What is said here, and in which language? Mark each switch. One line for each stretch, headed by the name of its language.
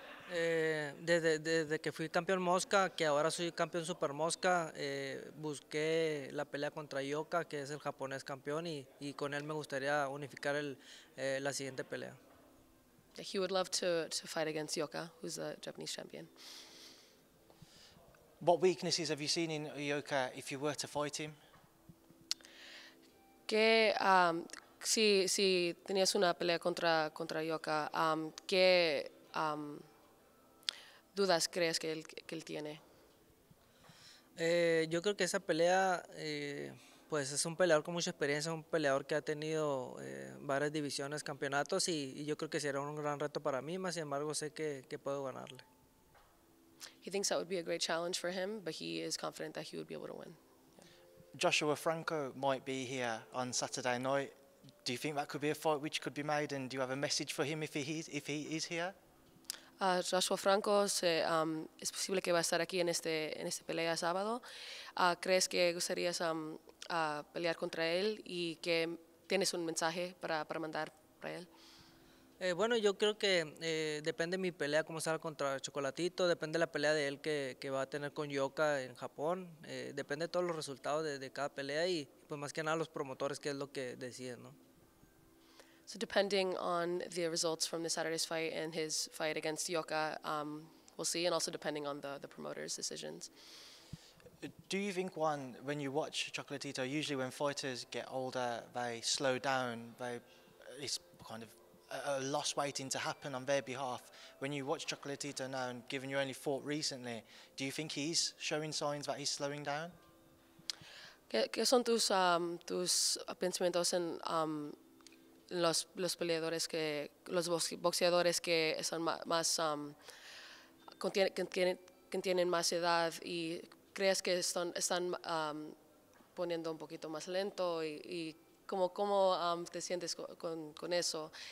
Spanish: Desde que fui campeón mosca, que ahora soy campeón super mosca, busqué la pelea contra Ioka, que es el japonés campeón, y con él me gustaría unificar la siguiente pelea.
English: He would love to fight against Ioka, who's the Japanese champion. What weaknesses have you seen in Ioka if you were to fight him?
Spanish: Que si tenías una pelea contra Ioka, qué dudas crees que él tiene? Yo creo que esa pelea, pues es un peleador con mucha experiencia, un peleador que ha tenido varias divisiones, campeonatos, y yo creo que será un gran reto para mí, más sin embargo sé que puedo ganarle.
English: He thinks that would be a great challenge for him, but he is confident that he would be able to win. Joshua Franco might be here on Saturday night. Do you think that could be a fight which could be made, and do you have a message for him if he is here?
Spanish: Joshua Franco, es posible que va a estar aquí en este pelea sábado. ¿Crees que gustarías pelear contra él y que tienes un mensaje para mandar para él? Bueno, yo creo que depende de mi pelea, cómo salga contra Chocolatito, depende de la pelea de él que va a tener con Ioka en Japón, depende de todos los resultados de cada pelea y pues más que nada los promotores, que es lo que deciden, ¿no?
English: So depending on the results from the Saturday's fight and his fight against Ioka, we'll see, and also depending on the promoter's decisions. Do you think, Juan, when you watch Chocolatito, usually when fighters get older, they slow down, it's kind of a loss waiting to happen on their behalf. When you watch Chocolatito now, and given you only fought recently, do you think he's showing signs that he's slowing down?
Spanish: ¿Qué son tus pensamientos en los peleadores que los boxeadores que son más que tienen más edad, y crees que están poniendo un poquito más lento, y cómo te sientes con eso?